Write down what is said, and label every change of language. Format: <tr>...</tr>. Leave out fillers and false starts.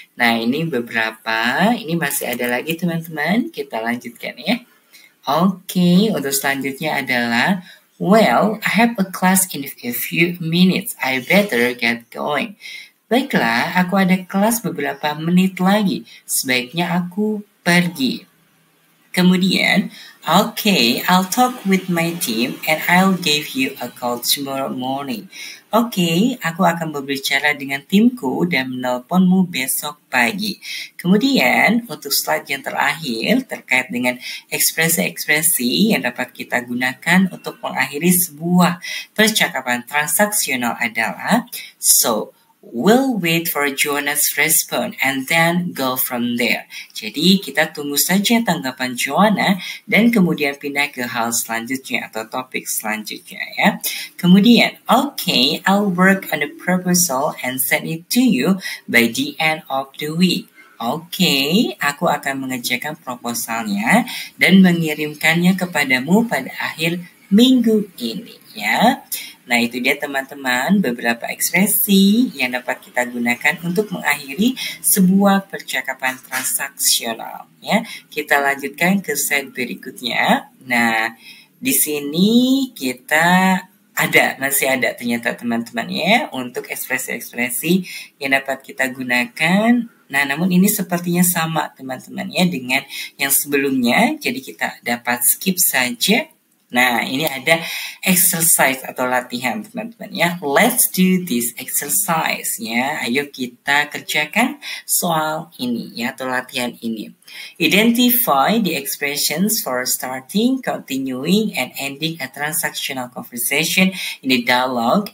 <id>Nah, ini beberapa. Ini masih ada lagi, teman-teman. Kita lanjutkan ya. Okay, untuk selanjutnya adalah</id> <en>well, I have a class in a few minutes. I better get going.</en> <id>Baiklah, aku ada kelas beberapa menit lagi. Sebaiknya aku pergi. Kemudian,</id> <en>okay, I'll talk with my team and I'll give you a call tomorrow morning.</en> <id>Okay, aku akan berbicara dengan timku dan menelponmu besok pagi. Kemudian, untuk slide yang terakhir terkait dengan ekspresi-ekspresi yang dapat kita gunakan untuk mengakhiri sebuah percakapan transaksional adalah</id> <en>so, we'll wait for Joanna's response and then go from there.</en> <id>Jadi kita tunggu saja tanggapan Joanna dan kemudian pindah ke hal selanjutnya atau topik selanjutnya ya. Kemudian,</id> <en>okay, I'll work on the proposal and send it to you by the end of the week.</en> <id>Okay, aku akan mengerjakan proposalnya dan mengirimkannya kepadamu pada akhir minggu ini ya. Nah, itu dia teman-teman beberapa ekspresi yang dapat kita gunakan untuk mengakhiri sebuah percakapan transaksional ya. Kita lanjutkan ke slide berikutnya. Nah, di sini kita masih ada ternyata teman-teman ya untuk ekspresi-ekspresi yang dapat kita gunakan. Nah, namun ini sepertinya sama teman-teman ya dengan yang sebelumnya. Jadi kita dapat skip saja. Nah, ini ada exercise atau latihan, teman-teman ya.</id> <en>Let's do this exercise</en> <id>ya. Ayo kita kerjakan soal ini ya atau latihan ini.</id> <en>Identify the expressions for starting, continuing, and ending a transactional conversation in the dialogue.</en>